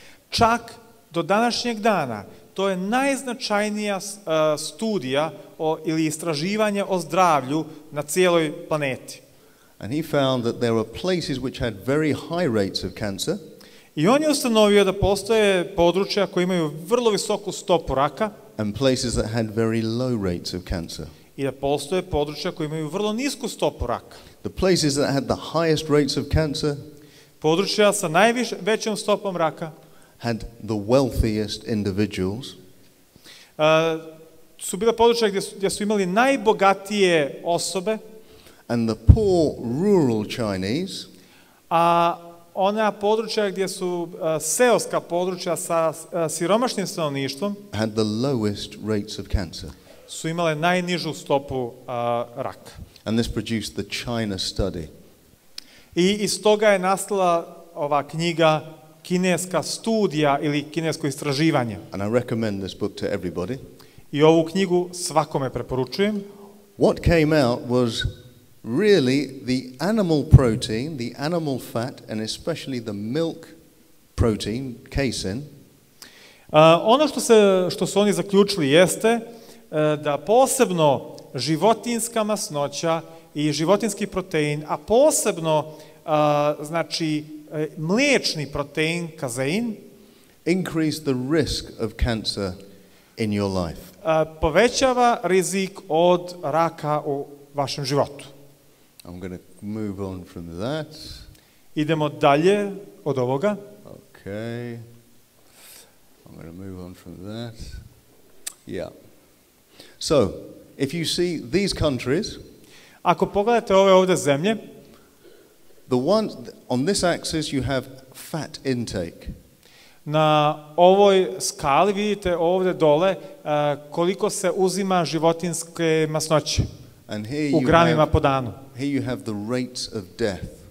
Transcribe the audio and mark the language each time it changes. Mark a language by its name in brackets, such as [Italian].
[Bosnian] Čak do današnjeg dana to je najznačajnija studija ili istraživanje o zdravlju na cijeloj planeti. [English] And he found that there were places which had very high rates of cancer. [Bosnian] I on je ustanovio da postoje područja koja imaju vrlo visoku stopu raka. [English] And places that had very low rates of cancer. [Bosnian] I da postoje područja koja imaju vrlo nisku stopu raka. [English] The places that had the highest rates of cancer. [Bosnian] Područja sa najvećom stopom raka. [English] Had the wealthiest individuals. [Bosnian] Su bila područja gdje su imali najbogatije osobe. [English] And the poor rural Chinese. [Bosnian] A ona područja gdje su seoska područja sa siromašnim stanovništvom. [English] Had the lowest rates of cancer. [Bosnian] Su imale najnižu stopu raka. [English] And this produced the China study. [Bosnian] I iz toga je nastala ova knjiga Kineska studija ili kinesko istraživanje. [English] And I recommend this book to everybody. [Bosnian] I ovu knjigu svakome preporučujem. [English] What came out was really the animal protein, the animal fat and especially the milk protein, casein. [Bosnian] Ono što su oni zaključili jeste da posebno životinska masnoća i životinski protein, a posebno znači mliječni protein, kazein, [English] increase the risk of cancer in your life. [Bosnian] Povećava rizik od raka u vašem životu. [English] I'm going to move on from that. [Bosnian] Idemo dalje od ovoga. [English] Okay. I'm going to move on from that. Yeah. So, if you see these countries, [Bosnian] ako pogledate ove ovde zemlje, [English] the one on this axis you have fat intake. [Bosnian] Na ovoj skali vidite ovde dole koliko se uzima životinske masnoće. [English] And here you [Bosnian] u gramima [English] have, [Bosnian] po danu. [English] Here you have the rates of death.